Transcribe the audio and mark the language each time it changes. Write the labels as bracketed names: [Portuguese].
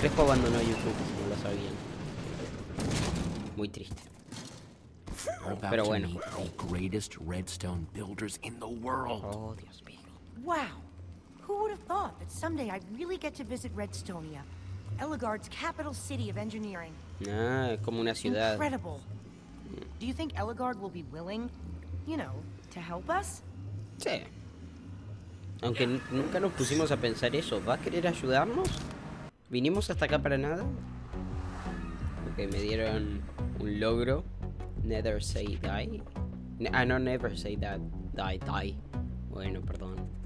[Spanish] Crespo abandonó YouTube, no lo sabían. Muy triste. Pero bueno. Oh, Dios mío. Wow. ¿Quién hubiera pensado que algún día realmente visitaría Redstonia? [English] Elagard's capital city of engineering. [Spanish] Ah, como una ciudad. [English] Incredible. Do you think Elagard will be willing, you know, to help us? [Spanish] Sí. Aunque nunca nos pusimos a pensar eso, ¿va a querer ayudarnos? ¿Vinimos hasta acá para nada? Okay, me dieron un logro. [English] Never say die. No, never say that. Die. [Spanish] Bueno, perdón.